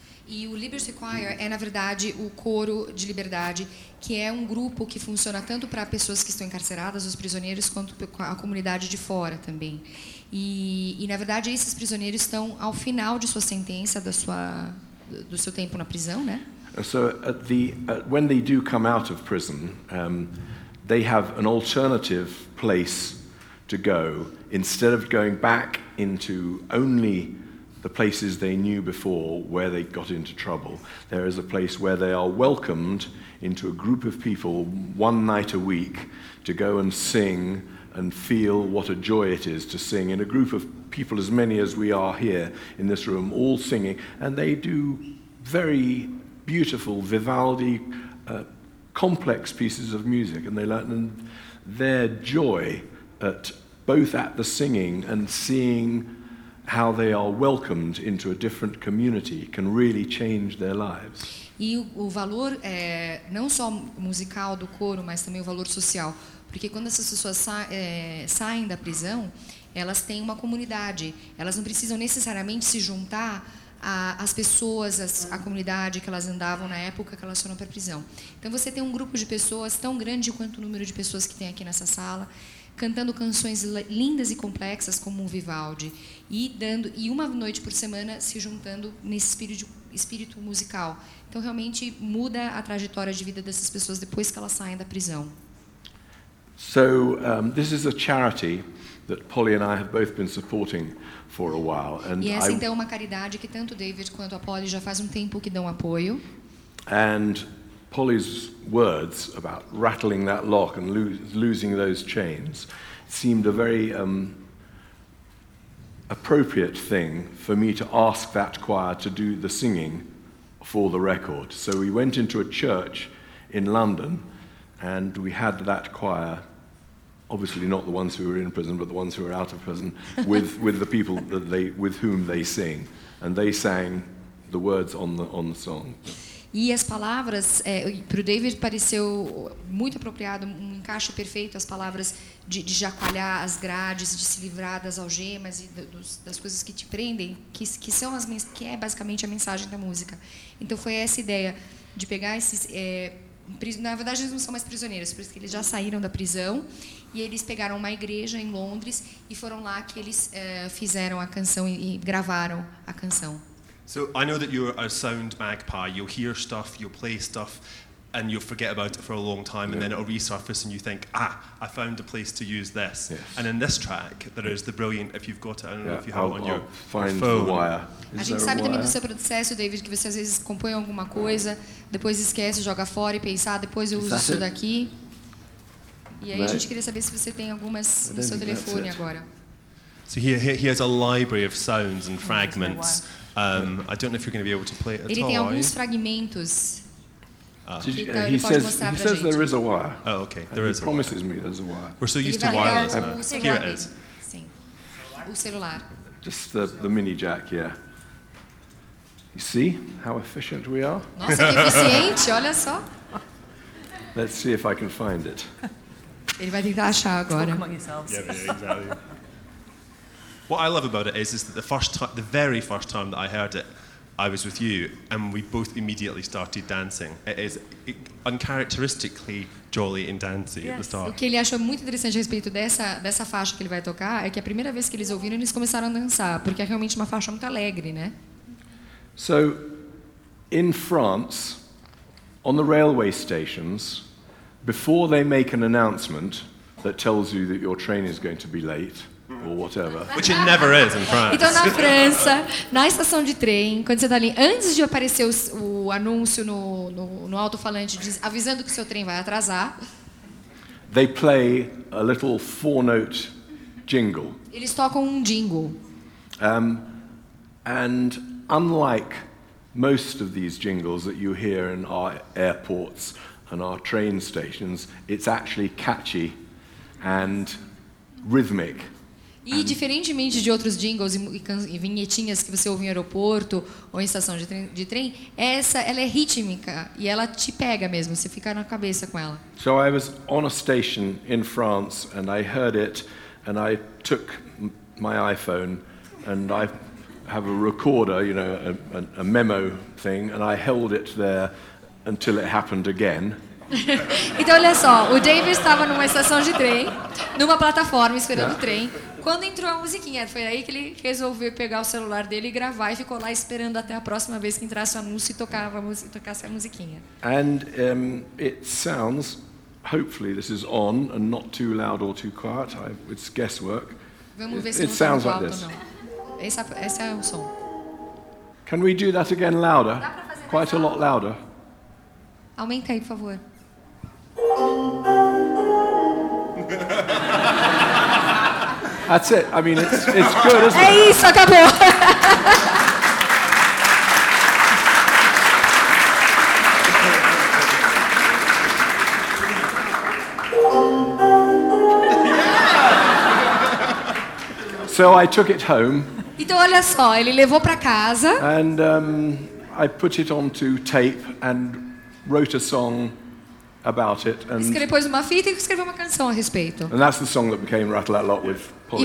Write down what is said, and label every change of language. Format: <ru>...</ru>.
<pt>E o Liberty Choir é, na verdade, o coro de liberdade, que é um grupo que funciona tanto para pessoas que estão encarceradas, os prisioneiros, quanto a comunidade de fora também. E na verdade, esses prisioneiros estão ao final de sua sentença, do seu tempo na prisão, né?</pt> <en>So, when they do come out of prison, they have an alternative place to go, instead of going back into only the places they knew before where they got into trouble. There is a place where they are welcomed into a group of people one night a week to go and sing and feel what a joy it is to sing in a group of people, as many as we are here in this room, all singing. And they do very beautiful Vivaldi complex pieces of music, and they learn, and their joy at both at the singing and seeing how they are welcomed into a different community can really change their lives.</en> <pt>E o valor é não só musical do coro, mas também o valor social, porque quando essas pessoas saem da prisão, elas têm uma comunidade. Elas não precisam necessariamente se juntar às pessoas, à comunidade que elas andavam na época que elas foram para a prisão. Então você tem um grupo de pessoas tão grande quanto o número de pessoas que tem aqui nessa sala, cantando canções lindas e complexas como o Vivaldi, e uma noite por semana se juntando nesse espírito musical. Então realmente muda a trajetória de vida dessas pessoas depois que elas saem da prisão.</pt> <en>So, this is a charity that Polly and I have both been supporting for a while.</en> <pt>And e essa então é uma caridade que tanto David quanto a Polly já faz tempo que dão apoio.</pt> <en>And Polly's words about rattling that lock and losing those chains seemed a very appropriate thing for me to ask that choir to do the singing for the record. So we went into a church in London and we had that choir, obviously not the ones who were in prison, but the ones who were out of prison, with the people that they with whom they sing. And they sang the words on the song.</en> <pt>E as palavras, para o David pareceu muito apropriado, um encaixe perfeito, as palavras de jacoalhar as grades, de se livrar das algemas e das coisas que te prendem, que é basicamente a mensagem da música. Então foi essa ideia de pegar esses... na verdade, eles não são mais prisioneiros, por isso que eles já saíram da prisão, e eles pegaram uma igreja em Londres e foram lá que eles fizeram a canção e gravaram a canção.</pt> <en>So I know that you're a sound magpie. You'll hear stuff, you'll play stuff, and you'll forget about it for a long time, and then it'll resurface, and you think, ah, I found a place to use this. Yes. And in this track, there is the brilliant, if you've got it, I don't know if you have I'll it on your find phone. The wire.</en> <pt>A gente sabe também do seu processo, David, que você às vezes compõe alguma coisa, depois esquece, joga fora e pensa, depois eu uso isso daqui. E aí a gente queria saber se você tem algumas no seu telefone agora.</pt> <en>So he has a library of sounds and fragments. I don't know if you're going to be able to play it at</en> <pt>ele</pt> <en>all.</en> <pt>Ele tem alguns fragmentos.</pt> <en>He says there is a wire. Oh, okay. There he is. He promises me there's a wire. We're so used to wireless now. Here it is.</en> <pt>Sim. O celular.</pt> <en>Just the mini jack, yeah. You see how efficient we are?</en> <pt>Nossa, que eficiente, olha só.</pt> <en>Let's see if I can find it.</en> <pt>Ele vai tentar achar agora.</pt> <en>Talk among yourselves. Yeah, exactly. What I love about it is that the very first time that I heard it, I was with you, and we both immediately started dancing. It is uncharacteristically jolly and dancey at the start.</en> <pt>O que ele achou muito interessante a respeito dessa faixa que ele vai tocar é que a primeira vez que eles ouviram, eles começaram a dançar, porque é realmente uma faixa muito alegre, né?</pt> <en>So, in France, on the railway stations, before they make an announcement that tells you that your train is going to be late, or whatever. Which it never is in France.</en> <pt>Então na França, na estação de trem, quando você tá ali, antes de aparecer o anúncio no alto-falante avisando que o seu trem vai atrasar,</pt> <en>they play a little four-note jingle.</en> <pt>Eles tocam um jingle.</pt> <en>And unlike most of these jingles that you hear in our airports and our train stations, it's actually catchy and rhythmic.</en> <pt>E diferentemente de outros jingles e vinhetinhas que você ouve em aeroporto ou em estação de trem, essa ela é rítmica e ela te pega mesmo, você fica na cabeça com ela.</pt> <en>So I was on a station in France and I heard it and I took my iPhone and I have a recorder, you know, a memo thing, and I held it there until it happened again.</en> <pt>Então olha só, o David estava numa estação de trem, numa plataforma esperando o trem. Quando entrou a musiquinha, foi aí que ele resolveu pegar o celular dele e gravar e ficou lá esperando até a próxima vez que entrasse o anúncio e tocasse a musiquinha.</pt> <en>And it sounds, hopefully this is on and not too loud or too quiet. It's guesswork.</en> <pt>Vamos ver se não está muito alto ou não. Esse é o som.</pt> <en>Can we do that again louder? Quite a lot louder.</en> <pt>Aumenta aí, por favor.</pt> <en>That's it. I mean, it's good, isn't it?</en> <pt>É isso, acabou.</pt> <en>So I took it home.</en> <pt>Então olha só, ele levou para casa.</pt> <en>And I put it onto tape and wrote a song about it. And</en> <pt>ele depois uma fita e escreveu uma canção a respeito.</pt> <en>And that's the song that became Rattle That Lock with Polly.</en>